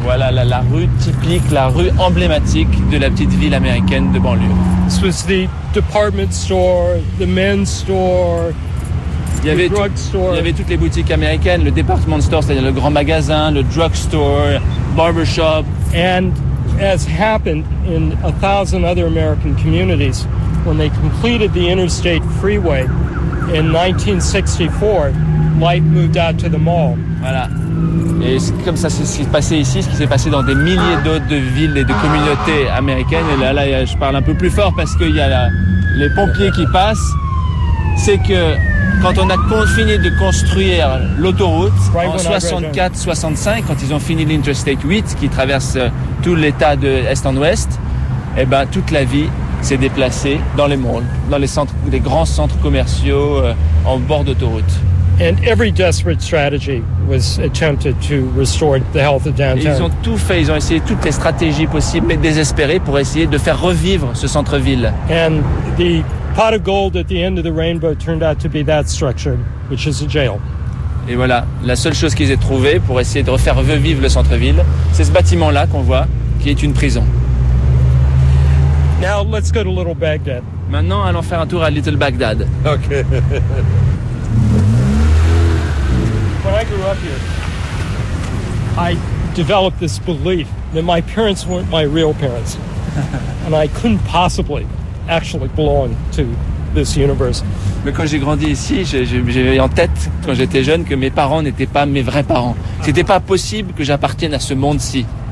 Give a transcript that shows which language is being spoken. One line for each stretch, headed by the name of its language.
French: Voilà la rue typique, la rue emblématique de la petite ville américaine de banlieue.
English: This was the department store, the men's store, the drug store.
French: Il y avait toutes les boutiques américaines, le department store, c'est-à-dire le grand magasin, le drug store, barbershop.
English: And as happened in 1,000 other American communities, when they completed the interstate freeway in 1964, light moved out to the mall.
French: Voilà. Et c'est comme ça, c'est ce qui s'est passé ici, ce qui s'est passé dans des milliers d'autres de villes et de communautés américaines. Et là, je parle un peu plus fort parce qu'il y a les pompiers qui passent. C'est que quand on a fini de construire l'autoroute, en 64-65, quand ils ont fini l'Interstate 8 qui traverse tout l'état de Est en Ouest, eh ben, toute la vie s'est déplacée dans les malls, dans les centres, les grands centres commerciaux en bord d'autoroute.
English: And every desperate strategy was attempted to restore the health of downtown.
French: Ils ont tout fait, ils ont essayé toutes les stratégies possibles et désespérées pour essayer de faire revivre ce centre-ville.
English: And the pot of gold at the end of the rainbow turned out to be that structure, which is a jail.
French: Et voilà, la seule chose qu'ils aient trouvée pour essayer de refaire revivre le centre-ville, c'est ce bâtiment-là qu'on voit, qui est une prison.
English: Now let's go to Little Baghdad.
French: Maintenant, allons faire un tour à Little Baghdad.
English: OK. When I grew up here, I developed this belief that my parents weren't my real parents, and I couldn't possibly actually belong to this universe.
French: Mais quand j'ai grandi ici, j'avais en tête quand j'étais jeune que mes parents n'étaient pas mes vrais parents. C'était pas possible que j'appartienne à ce monde-ci.